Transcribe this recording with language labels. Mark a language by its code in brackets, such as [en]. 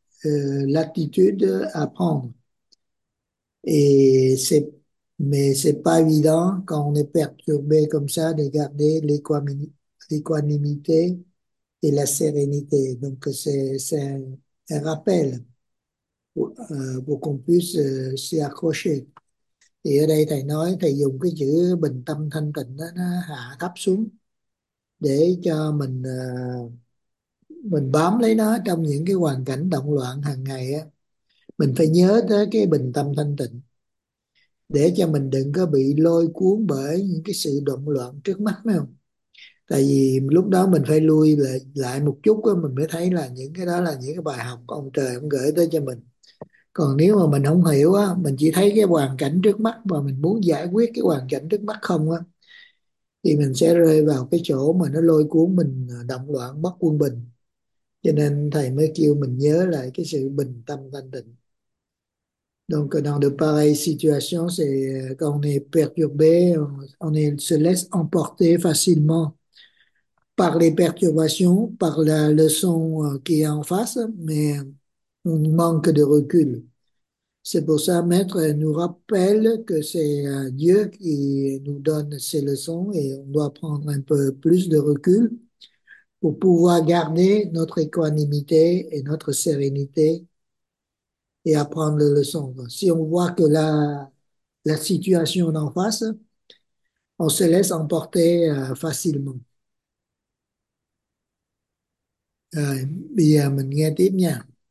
[fr] l'attitude à prendre. Mais c'est pas évident quand on est perturbé comme ça de garder l'équanimité et la sérénité. Donc c'est un rappel pour qu'on puisse s'y accrocher. [vi] Thì ở đây thầy nói thầy dùng cái chữ bình tâm thanh tịnh đó, nó hạ thấp xuống để cho mình bám lấy nó trong những cái hoàn cảnh động loạn hàng ngày á, mình phải nhớ tới cái bình tâm thanh tịnh để cho mình đừng có bị lôi cuốn bởi những cái sự động loạn trước mắt, phải không? Tại vì lúc đó mình phải lui lại lại một chút á, mình mới thấy là những cái đó là những cái bài học của ông trời ông gửi tới cho mình. Còn nếu mà mình không hiểu á, mình chỉ thấy cái hoàn cảnh trước mắt và mình muốn giải quyết cái hoàn cảnh trước mắt không á, thì mình sẽ rơi vào cái chỗ mà nó lôi cuốn mình động loạn mất quân bình. Cho nên thầy mới kêu mình nhớ lại cái sự bình tâm thanh tịnh. [fr] Donc dans de pareilles situations, c'est quand on est perturbé, on se laisse emporter facilement par les perturbations, par la leçon qui est en face, mais on manque de recul. C'est pour ça, Maître nous rappelle que c'est Dieu qui nous donne ces leçons et on doit prendre un peu plus de recul pour pouvoir garder notre équanimité et notre sérénité et apprendre les leçons. Si on voit que la situation est en face, on se laisse emporter facilement. [vi] Rồi, bây giờ mình nghe tiếp nha.